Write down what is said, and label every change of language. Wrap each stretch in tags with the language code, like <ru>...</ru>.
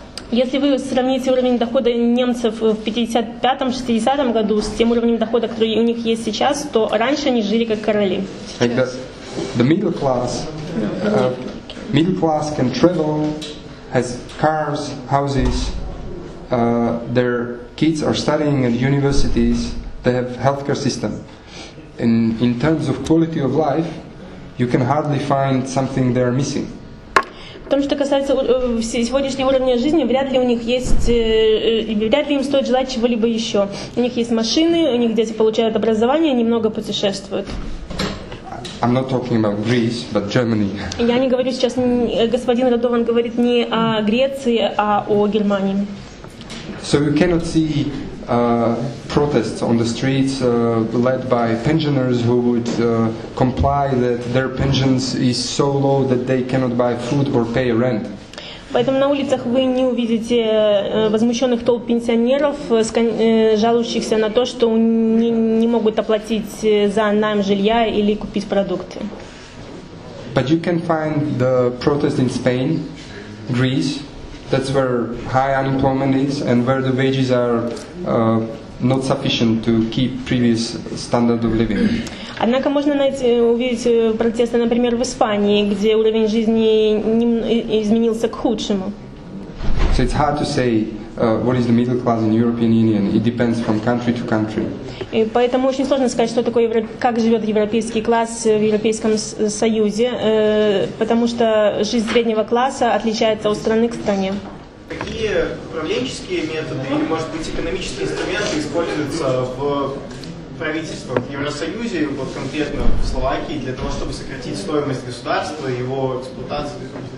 <ru>Если вы сравните уровень дохода немцев в 55-60 году с тем уровнем дохода, который у них есть сейчас, то раньше они жили как короли.</ru> <en>Like the middle class, middle class can travel, has cars, houses, their kids are studying at universities, they have healthcare system. In terms of quality of life, you can hardly find something they are missing.</en> <ru>В том, что касается сегодняшнего уровня жизни, вряд ли у них есть, вряд ли им стоит желать чего-либо еще. У них есть машины, у них дети получают образование, немного путешествуют.</ru> <en>I'm not talking about Greece, but Germany.</en> <ru>Я не говорю сейчас, господин Радован говорит не о Греции, а о Германии.</ru> <en>So you cannot see protests on the streets led by pensioners who would comply that their pensions is so low that they cannot buy food or pay rent.</en> <ru>Поэтому на улицах вы не увидите возмущенных толп пенсионеров, жалующихся на то, что не могут оплатить за найм жилья или купить продукты.</ru> <en>But you can find the protest in Spain, Greece. That's where high unemployment is and where the wages are not sufficient to keep previous standard of living.</en> <ru>Однако можно найти, увидеть протесты, например, в Испании, где уровень жизни изменился к худшему. So it's hard to say what is the middle class in European Union. It depends from country to country. И поэтому очень сложно сказать, что такое как живет европейский класс в Европейском Союзе, потому что жизнь среднего класса отличается от страны к стране. Какие управленческие методы или, может быть, экономические инструменты используются в правительствах в Евросоюзе, вот конкретно в Словакии, для того, чтобы сократить стоимость государства, его эксплуатации?</ru>